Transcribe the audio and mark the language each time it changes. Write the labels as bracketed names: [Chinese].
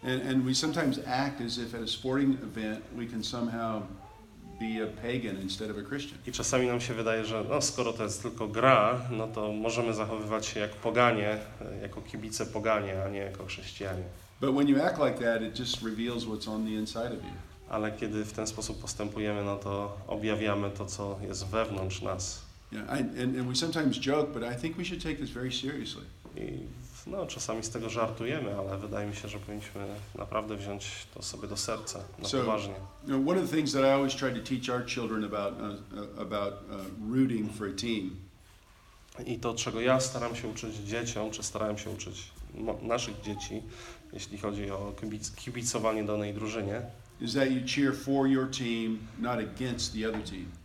[English] And we sometimes act as if at a sporting event we can somehow be a pagan instead of a Christian. [Polish] I czasami nam się wydaje, że no, skoro to jest tylko gra, no to możemy zachowywać się jak poganie, jako kibice poganie, a nie jako chrześcijanie. [English] But when you act like that, it just reveals what's on the inside of you. [Polish] Ale kiedy w ten sposób postępujemy, no to objawiamy to, co jest wewnątrz nas. [English] Yeah, and we sometimes joke, but I think we should take this very seriously. [Polish] No, czasami z tego żartujemy, ale wydaje mi się, że powinniśmy naprawdę wziąć to sobie do serca, na poważnie. [English] So, one of the things that I always try to teach our children about rooting for a team. [Polish] I to, czego ja staram się uczyć dzieciom, czy starałem się uczyć naszych dzieci, jeśli chodzi o kibicowanie danej drużynie. [English] Is that you cheer for your team, not against the other team.